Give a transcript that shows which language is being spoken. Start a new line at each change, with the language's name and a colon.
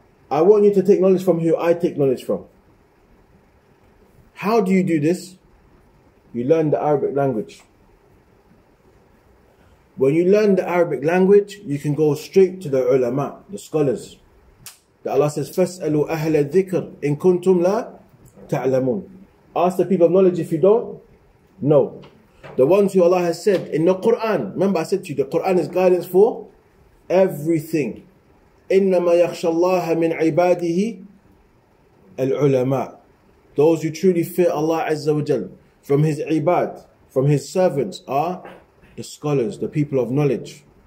English: I want you to take knowledge from who I take knowledge from. How do you do this? You learn the Arabic language. When you learn the Arabic language, you can go straight to the ulama, the scholars. That Allah says,
Arabic: فَاسْأَلُوا أَهْلَ الذِّكْرِ إِن كُنْتُمْ لَا تَعْلَمُونَ.
English: Ask the people of knowledge if you don't know. The ones who Allah has said in the Quran, remember I said to you, the Quran is guidance for everything.
Arabic: إِنَّمَا يَخْشَ اللَّهَ مِنْ عِبَادِهِ الْعُلَمَاء.
English: Those who truly fear Allah Azza wa Jal from His ibad, from His servants are the scholars, the people of knowledge.